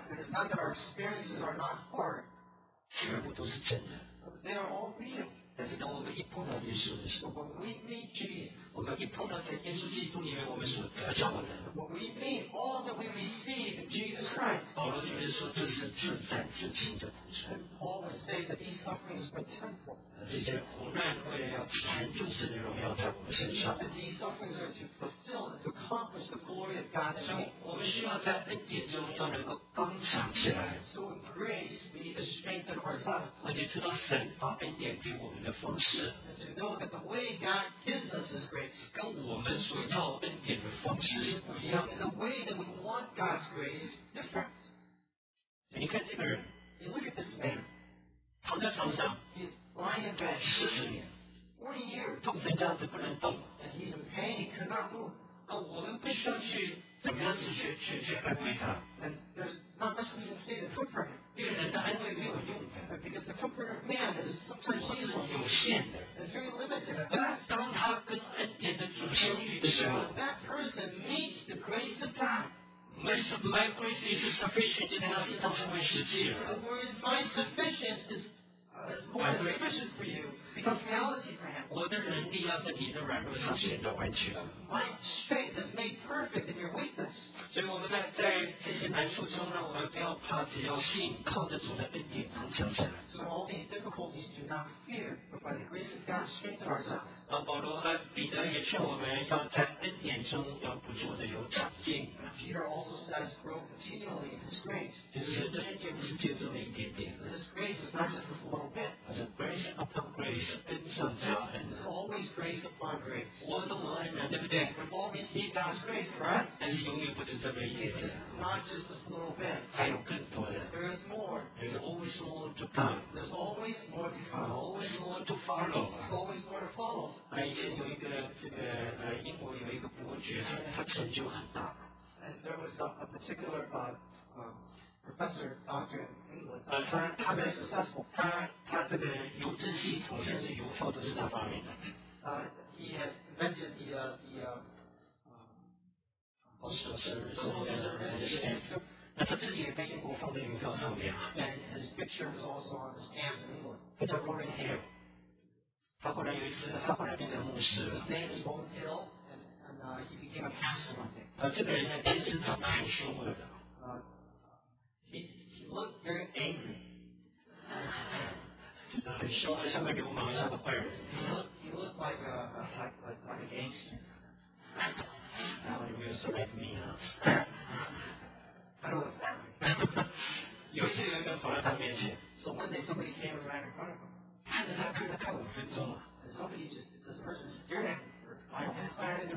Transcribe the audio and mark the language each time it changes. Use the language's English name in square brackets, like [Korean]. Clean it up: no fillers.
[English] It is not that our experiences are not hard. [Chinese] 全部都是真的。 [English] They are all real. [Chinese] 但是当我们一碰到耶稣的时候 [English] ，When we meet Jesus， [Chinese] 我们一碰到在耶稣基督里面我们所得着的 [English] ，When we meet all that we receive in Jesus Christ， [Chinese] 保罗就说这是自战自清的苦楚。 [English] And Paul would say that these sufferings are temporal. [Chinese] 这些苦难为了要成就神的荣耀在我们身上。 [English] And these sufferings are to fulfill and to accomplish the glory of God. [Chinese] 所以我们需要在恩典中要能够刚强起来。 [English] So in grace we need to strengthen ourselves. [Chinese] 而且知道神把恩典给我们。 [English] And to know that the way God gives us His grace [Chinese] 跟我们所要恩典的方式是不一样的。 [English] The way that we want God's grace is different. [Chinese] 你看这个人 [English] ，You look at this man， [Chinese] 躺在床上 [English] ，He's lying in bed， [Chinese] 40年 [English] ，40 years， [Chinese] 痛成这样子不能动 [English] ，And he's in pain， he could not move。 [Chinese] 那我们不需要去怎么样子去安慰他。 [English] And there's not much we can say to comfort him。 [Chinese] 一个人的安慰没有用的。 [English] Because the comfort of man is sometimes useful。 [Chinese] 是有限的。 [English] It's very limited. [Chinese] 当他跟恩典的主相遇的时候 [English] ，That person meets the grace of God。 My grace is sufficient， [Chinese] 就在他身上成为实际了。 [English] Whereas my sufficient is more than sufficient for you becomes reality for him. [Chinese] 我的能力要在你的软弱上显得完全。 [English] My strength is made perfect in your weakness. [Chinese] 所以我们在这些难处中呢，我们不要怕，只要信，靠着主的恩典刚强起来。 [English] So all these difficulties do not fear, but by the grace of God strengthen ourselves. [Chinese] 那保罗和彼得也劝我们要在恩典中要不住的有长进。 [English] Peter also says, grow continually in His grace. [Chinese] 就是神的恩典不是就这么一点点。 [English] His grace is not just a little bit. [Chinese] 它是 [English] grace upon grace, [Chinese] 恩上加恩。 [English] It's always grace upon grace. [Chinese] 我们都蒙恩了，对不对 [English] ？We've all received God's grace, right? [Chinese] 但是永远不是这么一点点。 [English] Not just this little bit. [Chinese] 还有更多的。 [English] There is more. There's always more to come. There's always more to come. Always more to follow. There's always more to follow. [Chinese] 那以前有一个英国有一个伯爵，他成就很大。 [English] And there was a particular professor, doctor in England. [Chinese] 他 [English] very successful. [Chinese] 他这个邮政系统甚至邮票都是他发明的。 [English] He has invented the postal service. [Chinese] 那他自己也被英国放在邮票上面。 [English] And his picture was also on the stamps in England. [Chinese] 他叫 Warren Hill. 他后来有一次，他后来变成牧师了。 [English] His name is Warren Hill. And he became a pastor one day. [Chinese] 这个人呢，天生长得很凶恶的。 [English] He looked very angry. [Chinese] 很凶恶，像个流氓，像个坏人。 [English] He looked like a gangster. [Chinese] 然后有没有说 [English] like me [Chinese] 啊？他说 [English] like me. [Chinese] 有一次有一个人跑到他面前。 [English] So one day somebody came around in front of him. [Chinese] 看着他，看着他五分钟了。 [English] And somebody just this person stared at him.